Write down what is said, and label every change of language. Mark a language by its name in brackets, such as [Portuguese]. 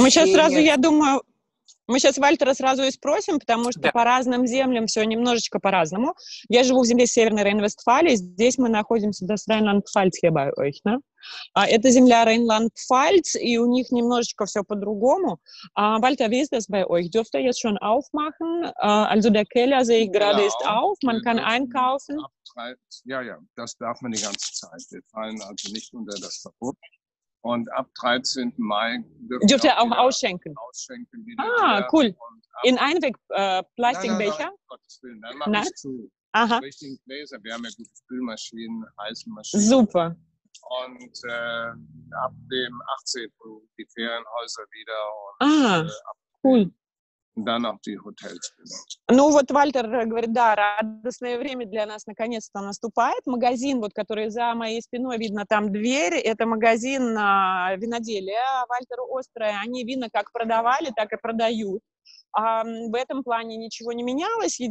[Russian] Мы сейчас сразу, я думаю, мы сейчас Вальтера сразу и спросим, потому что да. По разным землям все немножечко по-разному. Я живу в земле Северной Рейн-Вестфалии, здесь мы находимся, [German] das Rheinland-Pfalz hier bei euch, ne? [Russian] Это земля Rheinland-Pfalz, и у них немножечко все по-другому. [German] Вальтер, wie ist das bei euch? Dürft ihr jetzt schon aufmachen? Also der Keller, sehe ich gerade, ist auf. Man kann einkaufen. Ja, das darf man die ganze Zeit. Wir fallen also nicht unter das Verbot. Und ab 13. Mai dürft ihr auch ausschenken. Ausschenken cool. In Einweg-Plastikbecher? Nein, richtigen Gläser. Wir haben ja gute Spülmaschinen, Eisenmaschinen. Super. Und ab dem 18. die Ferienhäuser wieder. Und, cool. Dann auch die Hotels. [Russian] Ну вот Вальтер говорит, да, радостное время для нас наконец-то наступает. Магазин, вот, который за моей спиной видно, там дверь, это магазин виноделия Вальтера Острая. Они вина как продавали, так и продают. В этом плане ничего не менялось.